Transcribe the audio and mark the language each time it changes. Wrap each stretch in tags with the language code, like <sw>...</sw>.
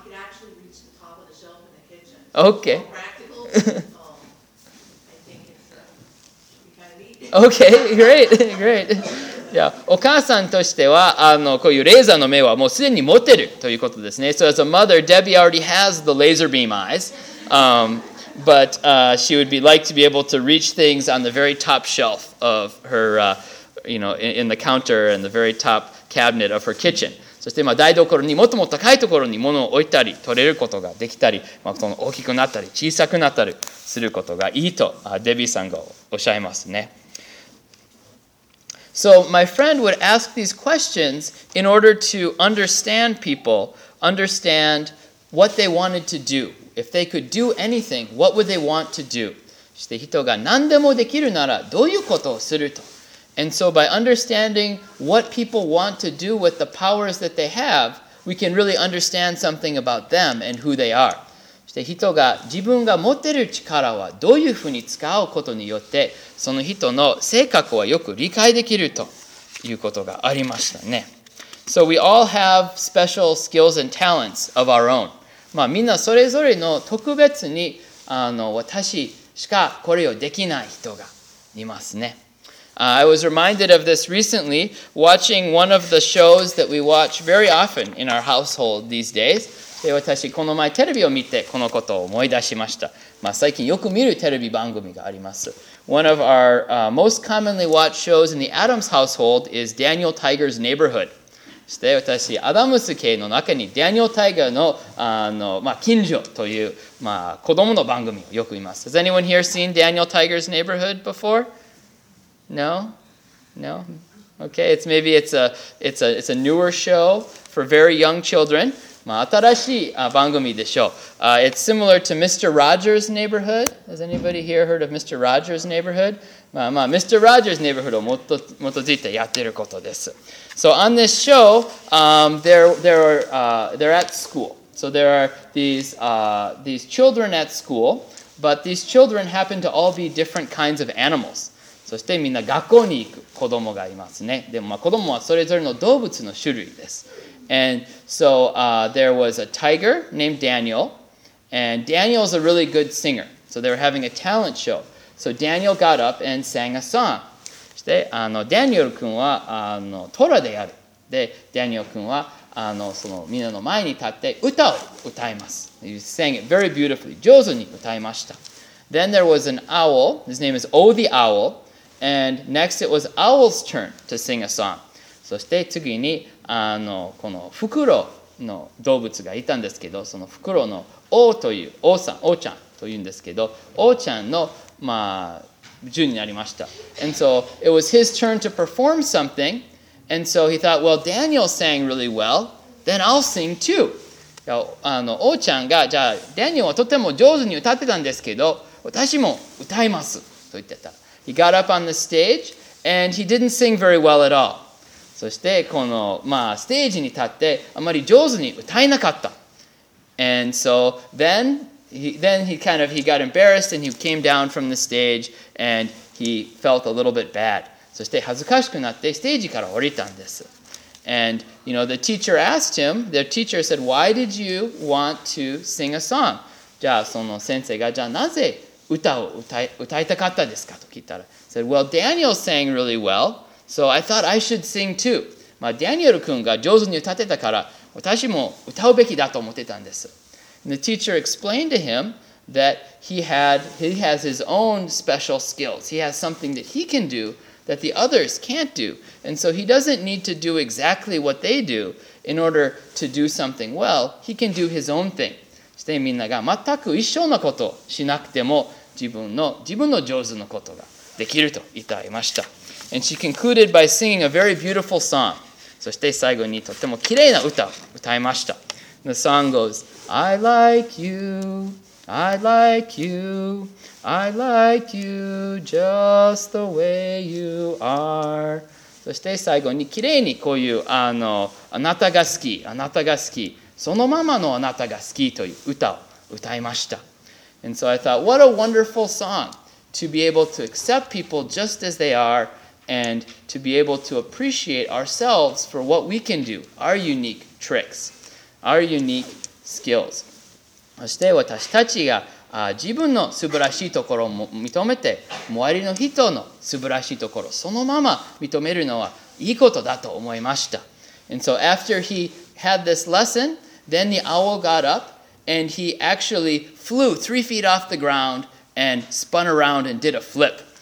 <en>I could actually reach the top of the shelf in the kitchen. Okay. Practical, great.</en> <ja>いや、お母さんとしてはこういうレーザーの目はもうすでに持ってるということですね。</ja> <en>So as a mother, Debbie already has the laser beam eyes, but she would be like to be able to reach things on the very top shelf of her, in the counter and the very top cabinet of her kitchen.</en> <ja>そしてまあ台所にもっともっと高いところに物を置いたり取れることができたり、まあ、その大きくなったり小さくなったりすることがいいとデビーさんがおっしゃいますね。</ja> <en>So my friend would ask these questions in order to understand people, understand what they wanted to do. If they could do anything, what would they want to do?</en> <ja>そして人が何でもできるならどういうことをすると?</ja> <en>And so by understanding what people want to do with the powers that they have, we can really understand something about them and who they are.</en> <ja>そして人が自分が持ってる力はどういうふうに使うことによってその人の性格はよく理解できるということがありましたね。</ja> <en>So we all have special skills and talents of our own.</en> <ja>まあみんなそれぞれの特別に私しかこれをできない人がいますね。</ja> <en>I was reminded of this recently watching one of the shows that we watch very often in our household these days.</en> <ja>で私この前テレビを見てこのことを思い出しました。まあ、最近よく見るテレビ番組があります。</ja> <en>One of our most commonly watched shows in the Adams household is Daniel Tiger's Neighborhood.</en> <ja>そして私、アダムス家の中にダニエル・タイガーの、まあ、近所という、まあ、子供の番組をよく見ます。</ja> <en>Has anyone here seen Daniel Tiger's Neighborhood before? No? No? Okay, it's a newer show for very young children.</en> <ja>まあ、新しい番組でしょう。</ja> <en>It's similar to Mr. Rogers' Neighborhood. Has anybody here heard of Mr. Rogers' Neighborhood?</en> <ja>まあまあ、Mr. Rogers' Neighborhood をもっと基づいてやってることです。</ja> <en>So on this show, they're at school. So there are these children at school, but these children happen to all be different kinds of animals.</en> <ja>そしてみんな学校に行く子供がいますね。でもまあ子供はそれぞれの動物の種類です。</ja> <en>And so, there was a tiger named Daniel. And Daniel's a really good singer. So they were having a talent show. So Daniel got up and sang a song.</en> <ja>そしてあのダニエル君はあのトラでやる。で、ダニエル君はあのそのみんなの前に立って歌を歌います。</ja> <en>He sang it very beautifully.</en> <ja>上手に歌いました。</ja> <en>Then there was an owl. His name is O the Owl. And next it was Owl's turn to sing a song.</en> <ja>そして次にあのこのフクロウの動物がいたんですけど、そのフクロウの王という王さん、王ちゃんというんですけど、王ちゃんの、まあ、順になりました。</ja> <en>And so it was his turn to perform something. And so he thought, well, Daniel sang really well. Then I'll sing too.</en> <ja>あの王ちゃんが、じゃあダニエルはとても上手に歌ってたんですけど、私も歌いますと言ってた。</ja> <en>He got up on the stage and he didn't sing very well at all.</en> <ja>そしてこの、まあ、ステージに立ってあまり上手に歌えなかった。</ja> <en>And so then he got embarrassed and he came down from the stage and he felt a little bit bad.</en> <ja>そして恥ずかしくなってステージから降りたんです。</ja> <en>And you know, the teacher asked him, their teacher said, why did you want to sing a song?</en> <ja>じゃあその先生がじゃあなぜ歌を歌いたかったですかと聞いたら</ja> <en>said, well, Daniel sang really well, so I thought I should sing too.</en> <ja>まあダニエル君が上手に歌ってたから私も歌うべきだと思ってたんです。</ja> <en>And the teacher explained to him that he has his own special skills. He has something that he can do that the others can't do. And so he doesn't need to do exactly what they do in order to do something well. He can do his own thing.</en> <ja>そしてみんなが全く一緒のことをしなくても自分の上手のことができると言っていました。</ja> <en>And she concluded by singing a very beautiful song.</en> <ja>そして最後にとても綺麗な歌を歌いました。</ja> <en>The song goes, I like you, I like you, I like you just the way you are.</en> <ja>そして最後に綺麗にこういうあの、あなたが好き、あなたが好き。そのままのあなたが好きという歌を歌いました。</ja> <en>And so I thought, what a wonderful song to be able to accept people just as they are and to be able to appreciate ourselves for what we can do, our unique tricks, our unique skills.</en> <ja>そして私たちが自分の素晴らしいところを認めて、周りの人の素晴らしいところをそのまま認めるのはいいことだと思いました。</ja> <en>And so after he had this lesson, then the owl got up and he actually flew 3 feet off the ground and spun around and did a flip.</en>